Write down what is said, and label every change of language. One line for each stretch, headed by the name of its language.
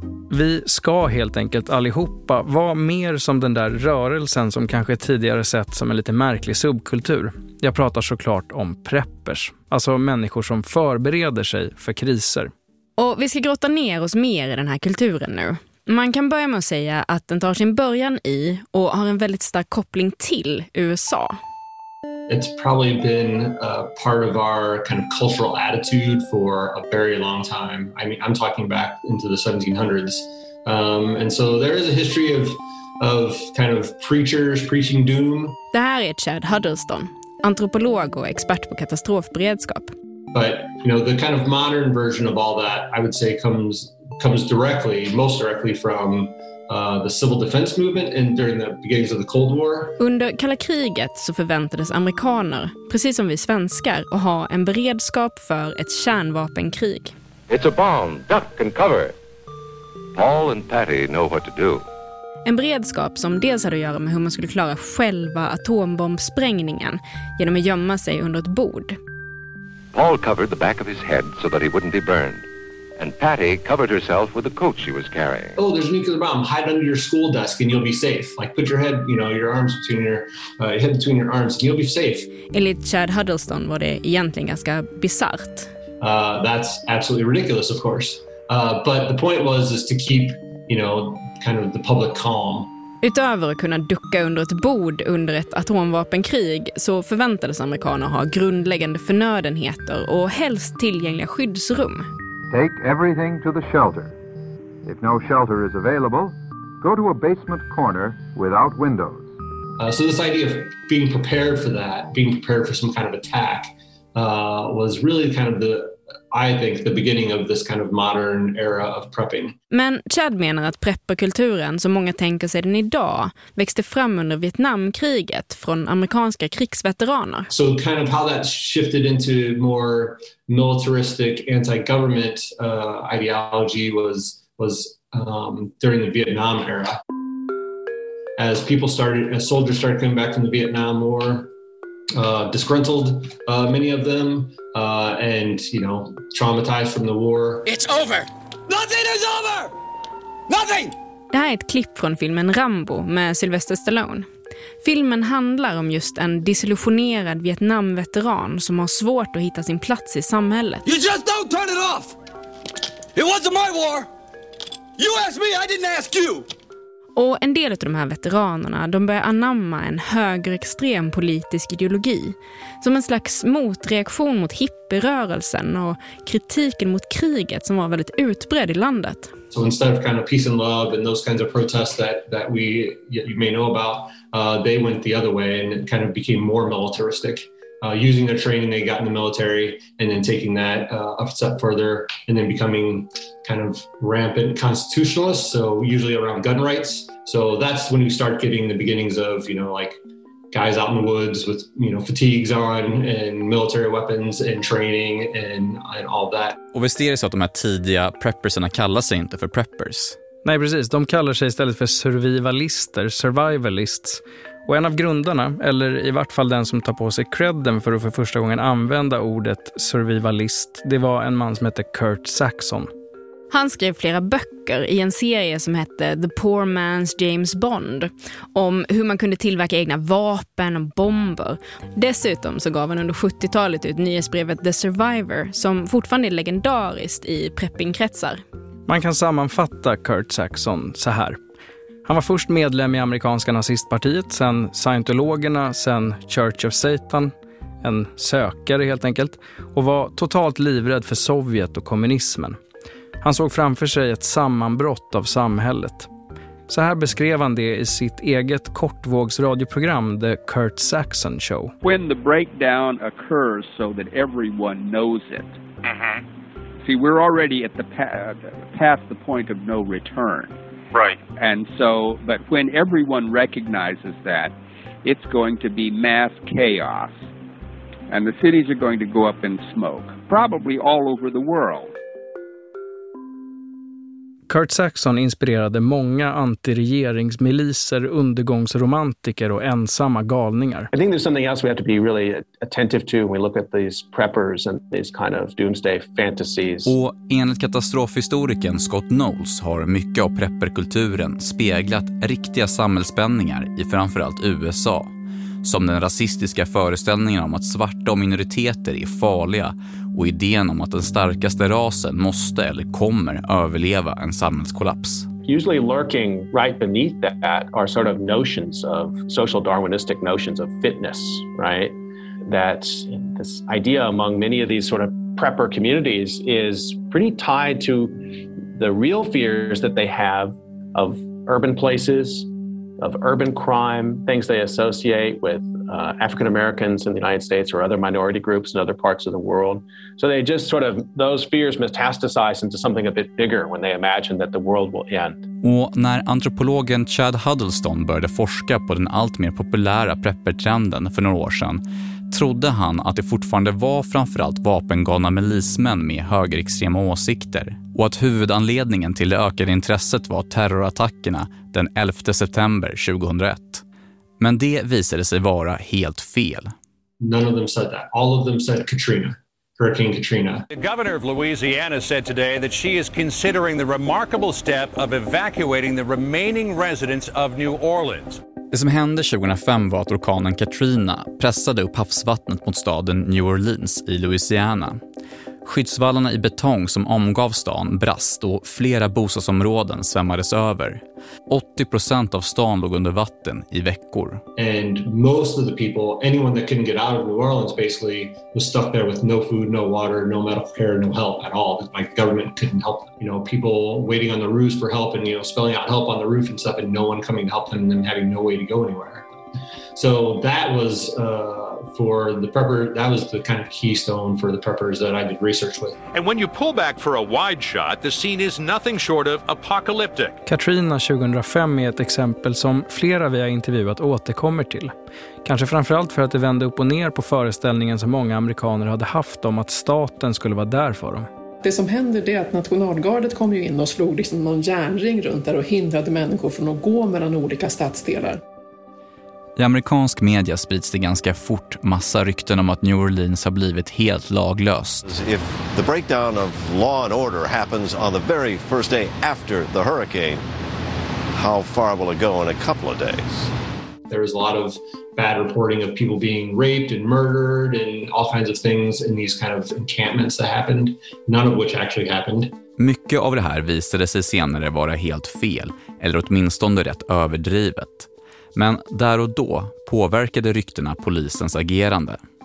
Swedish: Vi ska helt enkelt allihopa vara mer som den där rörelsen som kanske tidigare sett som en lite märklig subkultur. Jag pratar såklart om preppers, alltså människor som förbereder sig för kriser. Och vi ska grotta ner oss mer i den här kulturen nu. Man kan börja med att säga att den tar sin början i och har en väldigt stark koppling till USA.
English: It's probably been a part of our kind of cultural attitude for a very long time. I mean, I'm talking back into the 1700s. And so there is a history of kind of preachers preaching doom.
Swedish: Det här är Chad Huddleston, antropolog och expert på katastrofberedskap.
English: But, you know, the kind of modern version of all that, I would say, comes directly, most directly from the civil defense movement and during the beginnings of the Cold War.
Swedish: Under kalla kriget så förväntades amerikaner, precis som vi svenskar, att ha en beredskap för ett kärnvapenkrig.
English: It's a bomb, duck and cover. Paul and Patty know what to do.
Swedish: En beredskap som dels hade att göra med hur man skulle klara själva atombombsprängningen genom att gömma sig under ett bord.
English: Paul covered the back of his head so that he wouldn't be burned. And Patty covered herself with the coat she was carrying. Oh, there's a nuclear bomb. Hide under your school desk and you'll be safe. Like, put your head, you know, your arms between your arms and you'll be safe.
Swedish: Enligt Chad Huddleston var det egentligen ganska bizarrt.
English: That's absolutely ridiculous, of course. But the point was is to keep, you know, kind of the public calm.
Swedish: Utöver att kunna ducka under ett bord under ett atomvapenkrig så förväntades amerikaner ha grundläggande förnödenheter och helst tillgängliga skyddsrum.
English: Take everything to the shelter. If no shelter is available, go to a basement corner without windows. So this idea of being prepared for that, being prepared for some kind of attack, was really kind of the beginning of this kind of modern era of prepping.
Swedish: Men Chad menar att prepperkulturen, som många tänker sig den idag, växte fram under Vietnamkriget från amerikanska krigsveteraner.
English: So kind of how that shifted into more militaristic anti-government ideology was during the Vietnam era. As soldiers started coming back from the Vietnam War, disgruntled, many of them, and, you know, traumatized from the war. It's over! Nothing is over! Nothing!
Swedish: Det här är ett klipp från filmen Rambo med Sylvester Stallone. Filmen handlar om just en disillusionerad Vietnamveteran som har svårt att hitta sin plats i samhället.
English: You just don't turn it off! It wasn't my war! You asked me, I didn't ask you!
Swedish: Och en del av de här veteranerna, de börjar anamma en högerextrem politisk ideologi. Som en slags motreaktion mot hippierörelsen och kritiken mot kriget som var väldigt utbredd i landet.
English: So instead of kind of peace and love and those kinds of protests that we you may know about, they went the other way and kind of became more militaristic. Using the training they got in the military and then taking that a step further and then becoming kind of rampant constitutionalists, so usually around gun rights. So that's when you start getting the beginnings of, you know, like guys out in the woods with, you know, fatigues on and military weapons and training and all that.
Swedish: Och visst är det så att de här tidiga preppersarna kallar sig inte för preppers? Nej, precis. De kallar sig istället för survivalister, survivalists. Och en av grundarna, eller i vart fall den som tar på sig credden för att för första gången använda ordet survivalist, det var en man som hette Kurt Saxon. Han skrev flera böcker i en serie som hette The Poor Man's James Bond om hur man kunde tillverka egna vapen och bomber. Dessutom så gav han under 70-talet ut nyhetsbrevet The Survivor som fortfarande är legendariskt i preppingkretsar. Man kan sammanfatta Kurt Saxon så här. Han var först medlem i amerikanska nazistpartiet, sen Scientologerna, sen Church of Satan, en sökare helt enkelt, och var totalt livrädd för Sovjet och kommunismen. Han såg framför sig ett sammanbrott av samhället. Så här beskrev han det i sitt eget kortvågsradioprogram The Kurt Saxon Show.
English: When the breakdown occurs so that everyone knows it. See, we're already at the past the point of no return. Right. And so, but when everyone recognizes that, it's going to be mass chaos. And the cities are going to go up in smoke, probably all over the world.
Swedish: Kurt Saxon inspirerade många antiregeringsmiliser, undergångsromantiker och ensamma galningar.
English: I think there's something else we have to be really attentive to when we look at these preppers and these kind of doomsday fantasies.
Swedish: Och enligt katastrofhistorikern Scott Knowles har mycket av prepperkulturen speglat riktiga samhällsspänningar i framförallt USA. Som den rasistiska föreställningen om att svarta och minoriteter är farliga och idén om att den starkaste rasen måste eller kommer överleva en samhällskollaps.
English: Usually lurking right beneath that are sort of notions of social darwinistic notions of fitness, right? That this idea among many of these sort of prepper communities is pretty tied to the real fears that they have of urban places. Of urban crime, things they associate with African Americans in the United States or other minority groups in other parts of the world. So they just sort of those fears metastasize into something a bit bigger when they imagine that the world will end.
Swedish: Och när antropologen Chad Huddleston började forska på den allt mer populära preppertrenden för några år sedan, trodde han att det fortfarande var framförallt vapengalna milismän med högerextrema åsikter och att huvudanledningen till det ökade intresset var terrorattackerna den 11 september 2001. Men det visade sig vara helt fel.
English: None of them said that. All of them said Katrina. Hurricane Katrina. The governor of Louisiana said today that she is considering the remarkable step of evacuating the remaining residents of New Orleans.
Swedish: Det som hände 2005 var att orkanen Katrina pressade upp havsvattnet mot staden New Orleans i Louisiana. Skyddsvallarna i betong som omgav stan brast och flera bostadsområden svämmades över. 80% av stan låg under vatten i veckor.
English: And most of the people, anyone that couldn't get out of New Orleans basically was stuck there with no food, no water, no medical care, no help at all. My government couldn't help them. You know, people waiting on the roofs for help and, you know, spelling out help on the roof and stuff and no one coming to help them and then having no way to go anywhere. So that was for the prepper, that was the kind of keystone for the preppers that I did research with. And when you pull back for a wide shot, the scene is nothing short of apocalyptic.
Swedish: Katrina 2005 är ett exempel som flera vi har intervjuat återkommer till. Kanske framförallt för att det vände upp och ner på föreställningen som många amerikaner hade haft om att staten skulle vara där för dem. Det som hände är att nationalgardet kom ju in och slog liksom någon järnring runt där och hindrade människor från att gå mellan olika stadsdelar. I amerikansk media sprids det ganska fort massa rykten om att New Orleans har blivit helt laglöst.
English: If the breakdown of law and order happens on the very first day after the hurricane, how far will it go in a couple of days? There was a lot of bad reporting of people being raped and murdered and all kinds of things in these kind of encampments that happened, none of which actually happened.
Swedish: Mycket av det här visade sig senare vara helt fel, eller åtminstone rätt överdrivet. Men där och då påverkade ryktena polisens agerande.